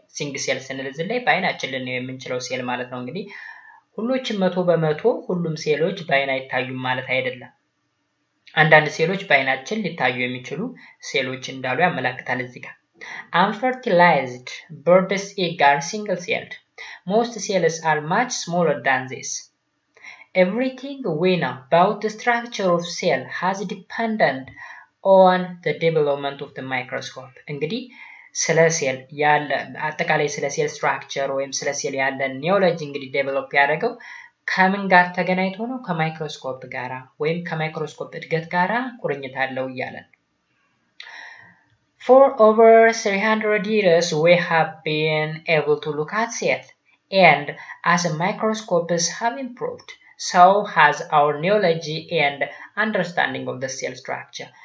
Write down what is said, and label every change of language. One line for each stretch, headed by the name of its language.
Amharic: ሲንግ ሴል ስንል እዚህ ላይ በአይናችን ነው የምንችለው ሴል ማለት ነው እንግዲህ። ሁሉችም 100% ሁሉም ሴሎች በአይን አይታዩም ማለት አይደለም። አንዳንድ ሴሎች በአይናችን ሊታዩ የሚችሉ ሴሎች እንዳሉ ያመለክታል እዚህ ጋር።
English: Unfertilized bird's egg are single-celled. Most cells are much smaller than this. Everything we know about the structure of cell has depended on the development of the microscope.
Amharic: እንግዲህ ስለ ሴል ያለ አጠቃላይ ስለ ሴል ስትራክቸር ወይም ስለ ሴል ያለ ኒዮሎጂ እንግዲህ ዴቨሎፕ ያደረገው ከምን ጋር ተገናኝቶ ነው? ከማይክሮስኮፕ ጋራ ወይም ከማይክሮስኮፕ እድገት ጋራ ቁርኝት አለው ይላል።
English: For over 300 years we have been able to look at cells and as the microscopes have improved so has our neology and understanding of the cell structure.